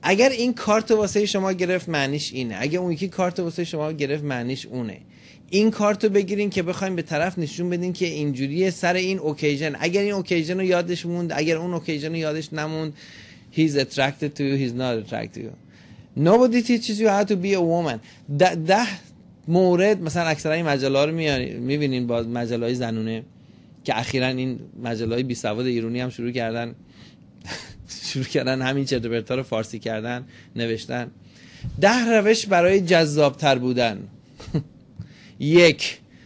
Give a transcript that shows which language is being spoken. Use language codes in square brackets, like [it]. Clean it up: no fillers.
[fa] اگر این کارت واسه شما گرفت معنیش اینه، اگه اون یکی کارت واسه شما گرفت معنیش اونه. این کارتو بگیرین که بخواییم به طرف نشون بدین که اینجوریه سر این اوکیژن. اگر این اوکیژن رو یادش موند، اگر اون اوکیژن رو یادش نموند، [en] he's attracted to you, [fa] he's not attracted to you. [en] Nobody teaches you how to be a woman. [fa] ده مورد مثلا اکثرا این مجله ها رو میبینین، با مجله های زنونه که اخیرا این مجله های بی سواد ایرانی هم شروع کردن همین چرت و پرت ها رو فارسی کردن نوشتن. 10 روش برای جذاب تر بودن. 1.